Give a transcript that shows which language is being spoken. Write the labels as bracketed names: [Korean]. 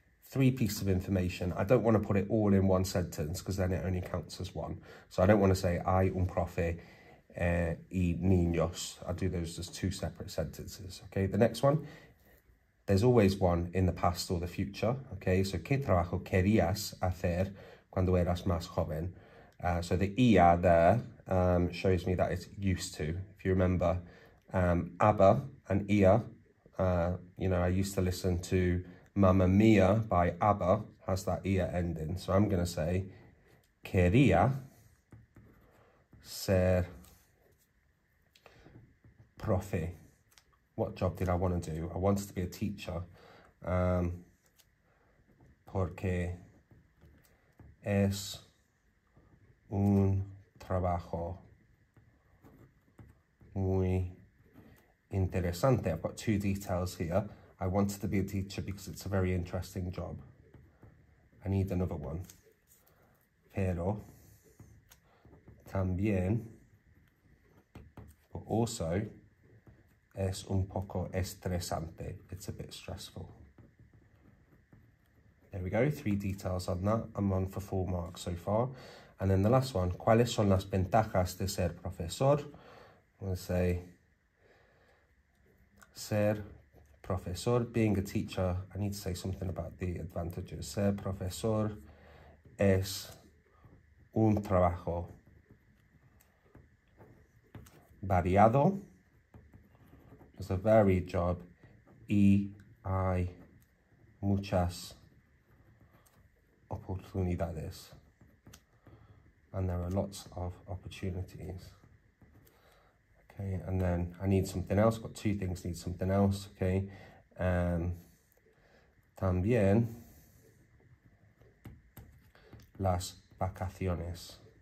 [English] 3 pieces of information. I don't want to put it all in one sentence because then it only counts as one. So I don't want to say, [Spanish] hay un profe y niños. [English] I do those as 2 separate sentences. Okay, the next one. There's always one in the past or the future. Okay, so [Spanish] ¿qué trabajo querías hacer cuando eras más joven? [English] So the ER there shows me that it's used to. If you remember, ABBA and IA, you know, I used to listen to Mamma Mia by ABBA, has that IA ending. So I'm going to say, [Spanish] quería ser profe. [English] What job did I want to do? I wanted to be a teacher. [Spanish] Porque es un trabajo muy interesante. [English] I've got two details here. I wanted to be a teacher because it's a very interesting job. I need another one. [Spanish] Pero también, [English] but also, [Spanish] es un poco estresante. [English] It's a bit stressful. There we go, three details on that. I'm on for 4 marks so far. And then the last one, [Spanish] ¿cuáles son las ventajas de ser profesor? [English] I'm going to say, [Spanish] ser profesor, [English] being a teacher, I need to say something about the advantages. [Spanish] Ser profesor es un trabajo variado. [English] It's a varied job. [Spanish] Y hay muchas oportunidades. [English] And there are lots of opportunities. Okay, and then I need something else. Got two things, need something else. Okay. [Spanish] También las vacaciones.